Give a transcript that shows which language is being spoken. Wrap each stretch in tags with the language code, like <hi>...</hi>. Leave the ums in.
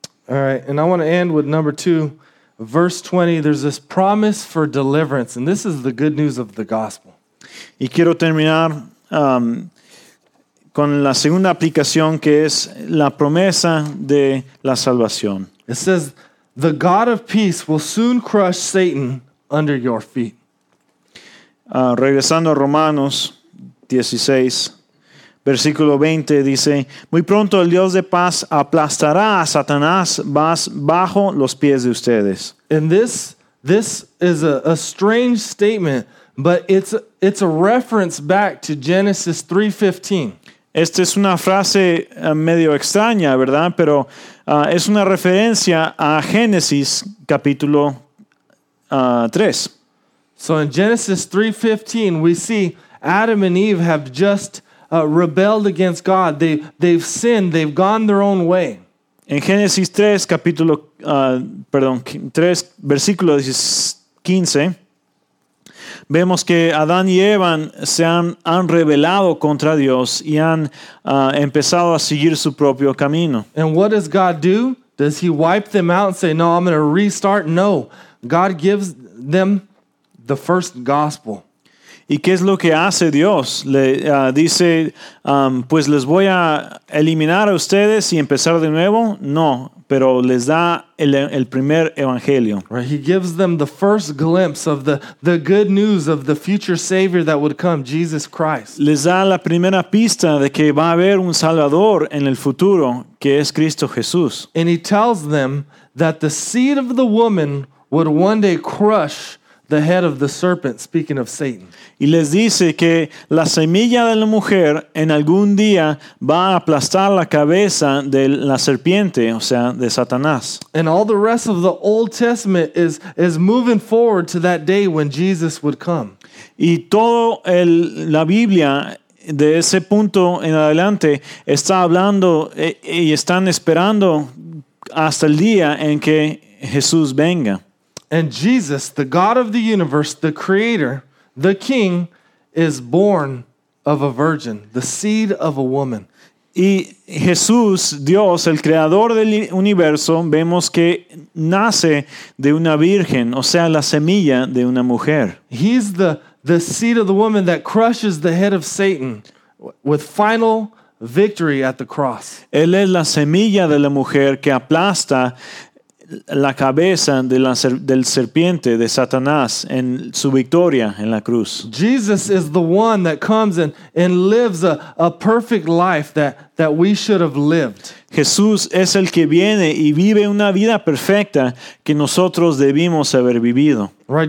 <en>All right, and I want to end with number two, verse 20, There's this promise for deliverance, and this is the good news of the gospel.</en> <es>Y quiero terminar um, con la segunda aplicación que es la promesa de la salvación.</es> <en>It says, the God of peace will soon crush Satan under your feet.</en> <es>Uh, regresando a Romanos 16, versículo 20, dice: Muy pronto el Dios de paz aplastará a Satanás bajo los pies de ustedes.</es> <en>And this, this is a, a strange statement, but it's, a, it's a reference back to Genesis 3:15.</en> <es>Esta es una frase uh, medio extraña, ¿verdad? Pero. Uh, es una referencia a Génesis capítulo tres.</es> <en>Uh, 3. So in Genesis 3:15 we see Adam and Eve have just uh, rebelled against God. They they've sinned, they've gone their own way.</en> <es>En Génesis 3 capítulo perdón, 3 versículo 15 vemos que Adán y Eva se han, han rebelado contra Dios y han uh, empezado a seguir su propio camino.</es> <en>And what does God do? Does he wipe them out and say, "No, I'm going to restart"? No. God gives them the first gospel.</en> <es>¿Y qué es lo que hace Dios? Le uh, dice, um, pues les voy a eliminar a ustedes y empezar de nuevo. No, pero les da el, el primer evangelio.</es> <en>he gives them the first glimpse of the, the good news of the future Savior that would come, Jesus Christ.</en> <es>Les da la primera pista de que va a haber un Salvador en el futuro, que es Cristo Jesús.</es> <en>And he tells them that the seed of the woman would one day crush The head of the serpent, speaking of Satan.</en> <es>Y les dice que la semilla de la mujer en algún día va a aplastar la cabeza de la serpiente, o sea, de Satanás. Y todo el la Biblia de ese punto en adelante está hablando e, y están esperando hasta el día en que Jesús venga.</es> <en>And Jesus, the God of the universe, the creator, the king, is born of a virgin, the seed of a woman.</en> <es>Y Jesús, Dios, el creador del universo, vemos que nace de una virgen, o sea, la semilla de una mujer.</es> <en>He's the, the seed of the woman that crushes the head of Satan with final victory at the cross.</en> <es>Él es la semilla de la mujer que aplasta la cabeza de la, del serpiente de Satanás en su victoria en la cruz. Jesús</es> <en>and, and a, a that,</en> <es>that es el que viene y vive una vida perfecta que nosotros debimos haber vivido.</es> <en>Right?</en>